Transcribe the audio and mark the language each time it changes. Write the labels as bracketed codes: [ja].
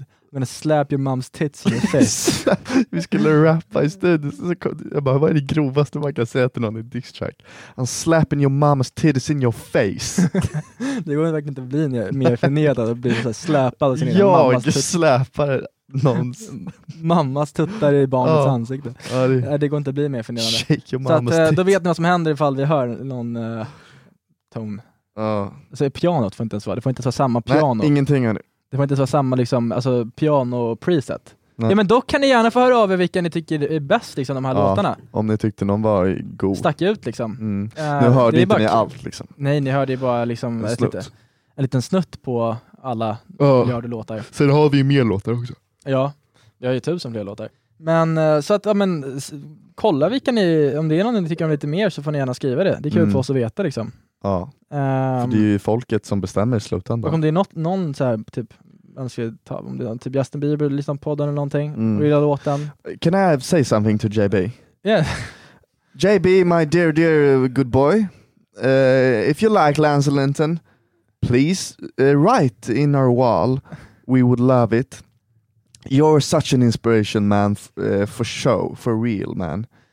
[en] I'm gonna slap your mom's tits in the face. [sv] Vi skulle rappa i studion. Så jag bara, vad är det grovaste man kan säga till någon i diss track? [en] I'm slapping your mom's tits in your face. [sv] Det går verkligen inte att bli mer förnedrad och bli så här släpad. Och jag släpar någons... mammas tuttar i barnets ansikte. Ja, det går inte att bli mer förnedrad. [en] Shake your [sv] så att, då vet ni vad som händer ifall vi hör någon ton. Alltså, pianot får inte ens vara. Det får inte ens vara samma piano. Nej, ingenting ännu. Det får inte vara samma liksom, alltså, piano preset. Ja, men då kan ni gärna få höra av er vilka ni tycker är bäst liksom, de här låtarna. Om ni tyckte någon var god. Stack ut liksom. Nu hörde inte ni allt liksom. Nej, ni hörde ju bara liksom, en liten snutt på alla miljarder låtar. Sen har vi ju mer låtar också. Ja, vi har ju tusen fler låtar. Men så att, ja, men kolla vilka ni, om det är någon ni tycker om lite mer så får ni gärna skriva det. Det är kul för oss att veta liksom. Ja, för det är ju folket som bestämmer i slutändan. Och om det är någon så här typ önskar ta, om det är typ Justin Bieber liksom podden eller någonting, vill jag låta den. [en] Can I say something to JB? Yeah. JB, my dear, dear good boy. If you like Lance Linton, please write in our wall. We would love it. You're such an inspiration, man, for show, for real, man.